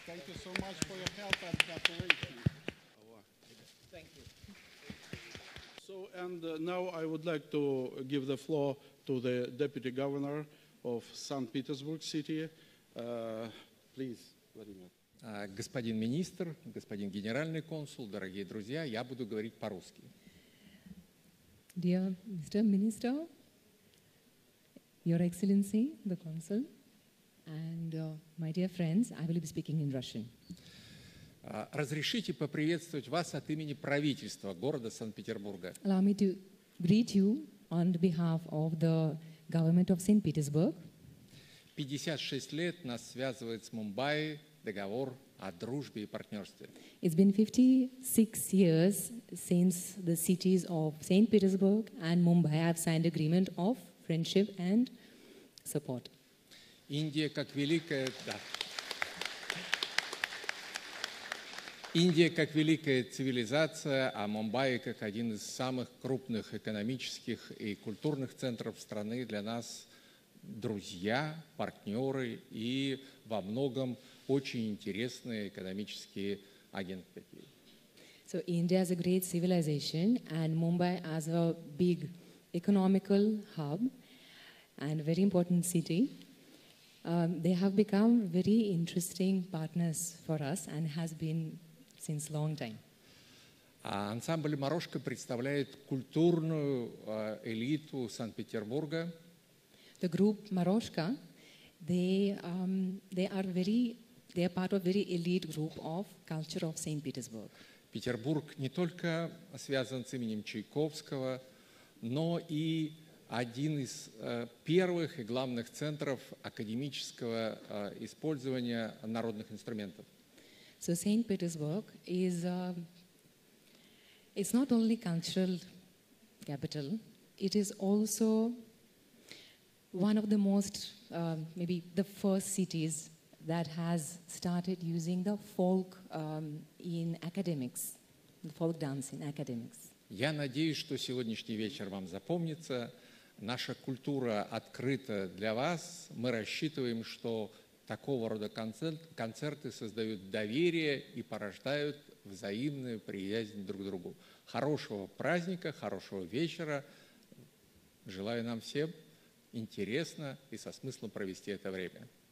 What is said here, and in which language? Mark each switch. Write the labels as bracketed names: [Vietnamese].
[English] Thank you so much for your help and cooperation. Thank you. So And now I would like to give the floor to the Deputy Governor of St. Petersburg City. Please, Vladimir. [Russian] Господин министр, господин генеральный консул, дорогие друзья, я буду говорить по-русски. [English] Dear Mr. Minister, Your Excellency, the Consul, and my dear friends, I will be speaking in Russian. [Russian] Разрешите поприветствовать вас от имени правительства города Санкт-Петербурга. [English] Allow me to greet you on behalf of the government of St. Petersburg. [Russian] 56 лет нас связывает с Мумбаи договор о дружбе и партнерстве. [English] It's been 56 years since the cities of St. Petersburg and Mumbai have signed agreement of friendship and support. [Russian] Индия как великая... Да. Индия как великая цивилизация, а Мумбаи как один из самых крупных экономических и культурных центров страны для нас друзья, партнеры и во многом очень интересные экономические агенты. [English] So India is a great civilization and Mumbai as a big economical hub and a very important city. They have become very interesting partners for us and has been since long time. [Russian] Ансамбль Moroshka представляет культурную элиту Санкт-Петербурга. [English] The group Moroshka, they are part of a very elite group of culture of St. Petersburg. [Russian] Петербург не только связан с именем Чайковского, но и один из первых и главных центров академического использования народных инструментов. [English] So St. Petersburg is it's not only cultural capital, it is also one of the most, maybe the first cities that has started using the folk in academics, the folk dance in academics. [Russian] Я надеюсь, что сегодняшний вечер вам запомнится. Наша культура открыта для вас. Мы рассчитываем, что такого рода концерты создают доверие и порождают взаимную приязнь друг к другу. Хорошего праздника, хорошего вечера. Желаю нам всем интересно и со смыслом провести это время.